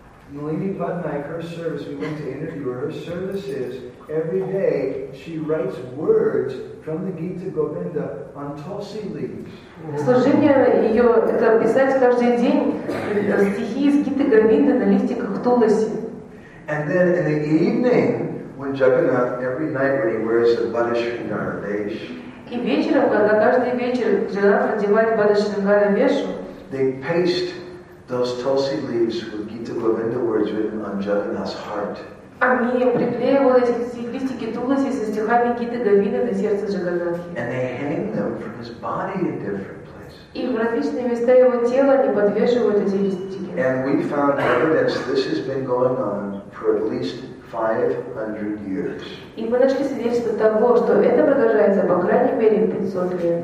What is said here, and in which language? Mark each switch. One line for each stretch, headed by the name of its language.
English: Nalini Patnaik, her service, we went to interview her. Her service is every day she writes words from the Gita Govinda on tulsi leaves.
Russian: Служение ее — это писать каждый день стихи из Гиты Говинды на листиках тулоси.
English: And then in the evening, when Jagannath, every night when he wears the Bhadashringara Vesh,
Russian: и вечером, когда каждый вечер Джаганнат надевает Бхадашрингара Вешу,
English: they paste those tulsi leaves with Gita Govinda words written on Jagannath's heart.
Russian: Они приклеивают эти листики тулоси со стихами Джаганнатха на сердце. Прабхупада Гиты Говинда на сердце Джаганнатхи.
English: And they hang them from his body in different places.
Russian: И в различные места его тела они подвешивают эти листики.
English: And we found evidence this has been going on for at least 500 years.
Russian: И мы нашли свидетельство того, что это продолжается по крайней мере 500 лет.